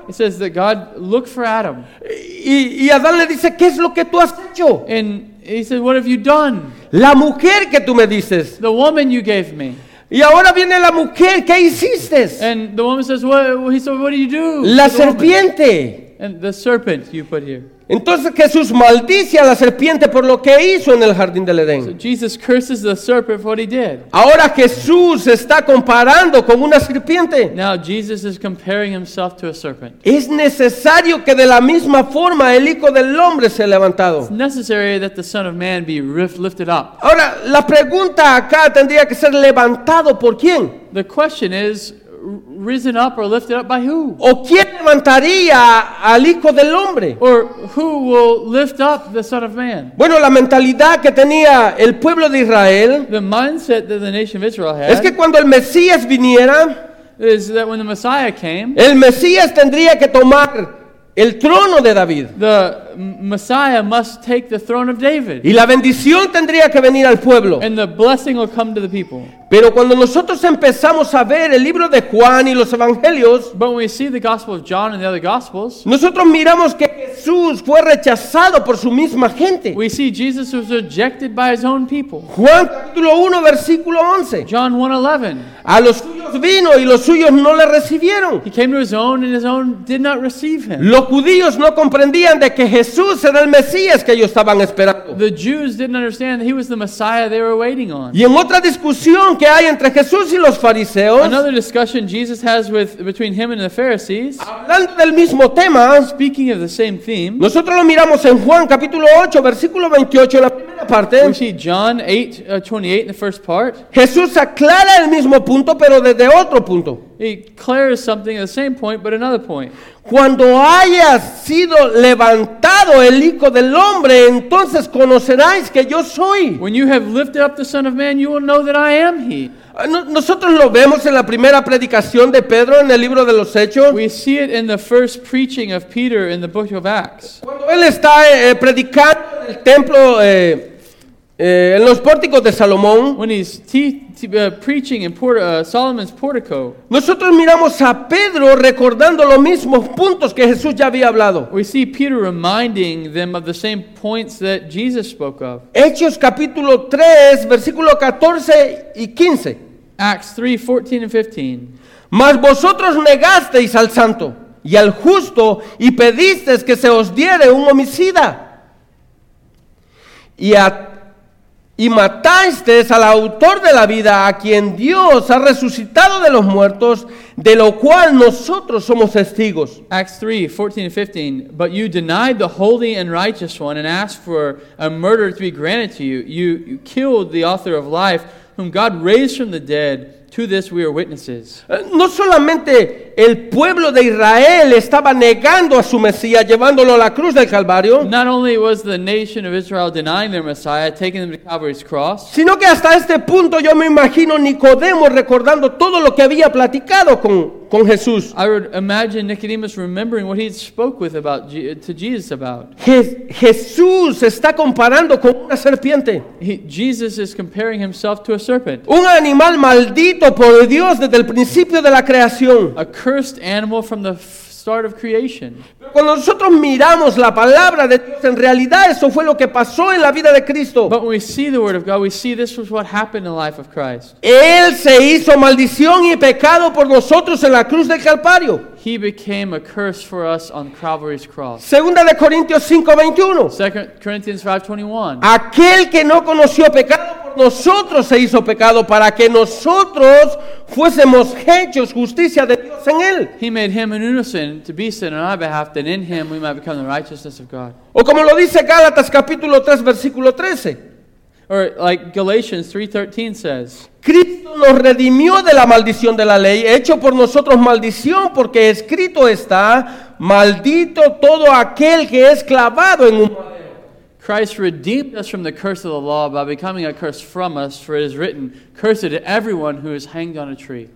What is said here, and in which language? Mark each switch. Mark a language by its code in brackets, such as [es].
[en] It says that God looked for Adam. [es] Y Adán le dice, ¿qué es lo que tú has hecho? [en] And he said, what have you done? [es] La mujer que tú me dices. [en] The woman you gave me. [es] Y ahora viene la mujer, ¿qué hiciste? [en] And the woman says, well, he said, what do you do? [es] La serpiente. [en] And the serpent you put here. [es] Entonces Jesús maldice a la serpiente por lo que hizo en el jardín del Edén. [en] So Jesus curses the serpent for what he did. [es] Ahora Jesús está comparando con una serpiente. [en] Now Jesus is comparing himself to a serpent. [es] Es necesario que de la misma forma el Hijo del Hombre sea levantado. [en] It's necessary that the Son of Man be lifted up. [es] Ahora la pregunta acá tendría que ser levantado por quién. [en] The question is risen up or lifted up by who? [es] ¿O quién levantaría al Hijo del Hombre? [en] Or who will lift up the Son of Man? [es] Bueno, la mentalidad que tenía el pueblo de Israel, [en] the mindset that the nation of Israel had, [es] es que cuando el Mesías viniera, [en] is that when the Messiah came, [es] el Mesías tendría que tomar el trono de David. [en] The Messiah must take the throne of David. [es] Y la bendición tendría que venir al pueblo. [en] And the blessing will come to the people. [es] Pero cuando nosotros empezamos a ver el libro de Juan y los evangelios, [en] but when we see the gospel of John and the other gospels, [es] nosotros miramos que Jesús fue rechazado por su misma gente. [en] We see Jesus was rejected by his own people. [es] Juan capítulo 1 versículo 11. [en] John 1:11. [es] A los suyos vino y los suyos no le recibieron. [en] He came to his own and his own did not receive him. [es] Los judíos no comprendían de que Jesús era el Mesías que ellos estaban esperando. [en] The Jews didn't understand that he was the Messiah they were waiting on. [es] Y en otra discusión que hay entre Jesús y los fariseos, [en] another discussion Jesus has with between him and the Pharisees, [es] hablando del mismo tema, [en] speaking of the same theme, [es] nosotros lo miramos en Juan capítulo 8 versículo 28 en la primera parte. [en] We see John 8:28 in the first part. [es] Jesús aclara el mismo punto pero desde otro punto. [en] He clears something at the same point but another point. [es] Cuando hayas sido levantado levantado el Hijo del Hombre, entonces conoceráis que yo soy. [en] When you have lifted up the Son of Man, you will know that I am He. [es] Nosotros lo vemos en la primera predicación de Pedro en el libro de los Hechos. [en] We see it in the first preaching of Peter in the book of Acts. [es] Cuando él está predicando en el templo en los pórticos de Salomón, [en] when he's preaching in Solomon's portico, [es] nosotros miramos a Pedro recordando los mismos puntos que Jesús ya había hablado. [en] We see Peter reminding them of the same points that Jesus spoke of. [es] Hechos capítulo 3, versículo 14 y 15. [en] Acts 3, 14 and 15. [es] Mas vosotros negasteis al santo y al justo y pedisteis que se os diere un homicida. Y mataste al autor de la vida, a quien Dios ha resucitado de los muertos, de lo cual nosotros somos testigos. [en] Acts 3, 14 and 15. But you denied the holy and righteous one and asked for a murder to be granted to you. You killed the author of life, whom God raised from the dead. To this we are witnesses. [es] No solamente el pueblo de Israel estaba negando a su Mesías, llevándolo a la cruz del Calvario. [en] Not only was the nation of Israel denying their Messiah, taking them to Calvary's cross. [es] Sino que hasta este punto yo me imagino Nicodemo recordando todo lo que había platicado con Jesús. [en] I would imagine Nicodemus remembering what he spoke with about to Jesus about. [es] Jesús está comparando con una serpiente. [en] Jesus is comparing himself to a serpent. [es] Un animal maldito por Dios desde el principio de la creación. [en] A cursed animal from the start of creation. [es] Cuando nosotros miramos la palabra de Dios, en realidad eso fue lo que pasó en la vida de Cristo. [en] But when we see the word of God, we see this was what happened in the life of Christ. [es] Él se hizo maldición y pecado por nosotros en la cruz del Calvario. [en] He became a curse for us on Calvary's cross. [es] Segunda de Corintios 5:21. [en] 2 Corinthians 5:21. [es] Aquel que no conoció pecado por nosotros se hizo pecado para que nosotros fuésemos hechos justicia de Dios en él. [en] He made him an innocent to be sin on our behalf, that in him we might become the righteousness of God. [es] O como lo dice Gálatas capítulo 3 versículo 13. [en] Or like Galatians 3:13 says, [es] Cristo nos redimió de la maldición de la ley, hecho por nosotros maldición, porque escrito está, maldito todo aquel que es clavado en un [en] Christ redeemed us from the curse of the law by becoming a curse from us, for it is written, cursed is everyone who is hanged on a tree.